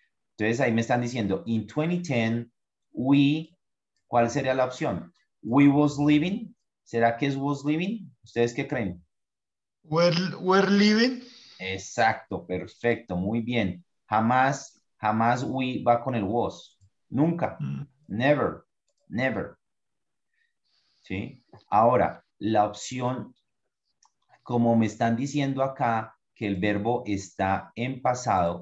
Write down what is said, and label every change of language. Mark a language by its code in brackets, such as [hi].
[es] Entonces ahí me están diciendo, in 2010, ¿cuál sería la opción? [en] We was living, [es] ¿será que es was living? ¿Ustedes qué creen? [en] We're living. [es] Exacto, perfecto, muy bien. Jamás we va con el was, nunca, never. ¿Sí? Ahora, la opción, como me están diciendo acá, que el verbo está en pasado.